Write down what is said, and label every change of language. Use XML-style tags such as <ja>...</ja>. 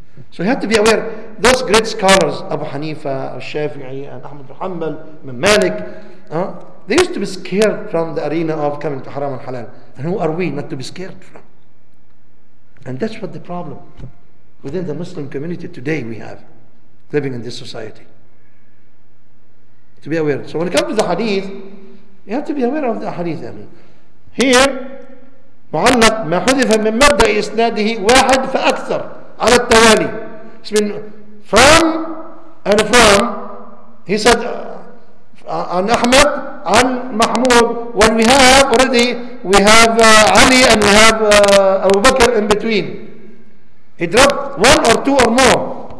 <en>So you have to be aware, those great scholars, Abu Hanifa, Shafi'i, and Ahmad Muhammad, Imam Malik, they used to be scared from the arena of coming to haram and halal. And who are we not to be scared from? And that's what the problem within the Muslim community today we have, living in this society. To be aware. So when it comes to the hadith, you have to be aware of the hadith. I mean, here,</en> <ar>مُعَلَّقْ مَا حُذِفَ مِنْ مَبْدَعِ إِسْنَادِهِ وَاحَدْ فَأَكْثَرْ عَلَى التَّوَالِي.</ar> <en>It's been from and from. He said, on Ahmad, on Mahmud, when we have already, we have Ali and we have Abu Bakr in between. He dropped one or two or more.</en>